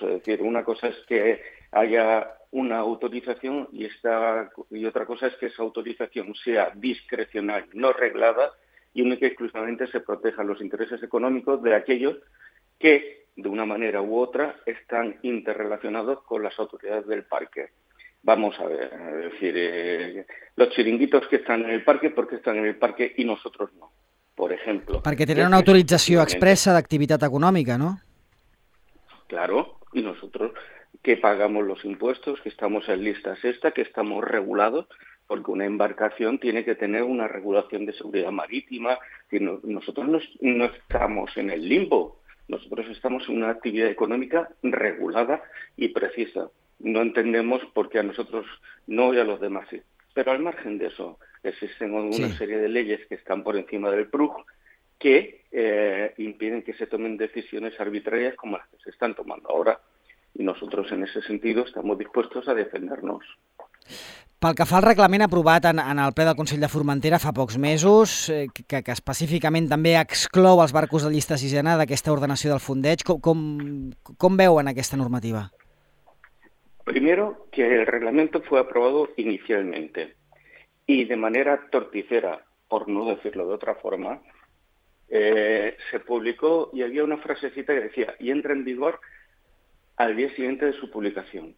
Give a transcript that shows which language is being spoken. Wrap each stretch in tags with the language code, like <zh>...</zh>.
<es>Es decir, una cosa es que haya una autorización y otra cosa es que esa autorización sea discrecional, no reglada y única y exclusivamente se protejan los intereses económicos de aquellos que, de una manera u otra, están interrelacionados con las autoridades del parque. Vamos a ver, es decir, los chiringuitos que están en el parque, ¿por qué están en el parque y nosotros no? Por ejemplo.</es> <ca>Perquè tenen una autorització expressa d'activitat econòmica, no?</ca> <es>Claro, y nosotros que pagamos los impuestos, que estamos en lista sexta, que estamos regulados, porque una embarcación tiene que tener una regulación de seguridad marítima. Nosotros no estamos en el limbo, nosotros estamos en una actividad económica regulada y precisa. No entendemos por qué a nosotros no y a los demás sí. Pero al margen de eso, existen una serie de leyes que están por encima del PRUC que impiden que se tomen decisiones arbitrarias como las que se están tomando ahora. Y nosotros en ese sentido estamos dispuestos a defendernos.</es> <ca>Pel que fa al reglament aprovat en el ple del Consell de Formentera fa pocs mesos, que específicament també exclou els barcos de llista sisena d'aquesta ordenació del fondeig, com veuen aquesta normativa?</ca> <es>Primero, que el reglamento fue aprobado inicialmente y de manera torticera, por no decirlo de otra forma, se publicó y había una frasecita que decía y entra en vigor al día siguiente de su publicación.</es>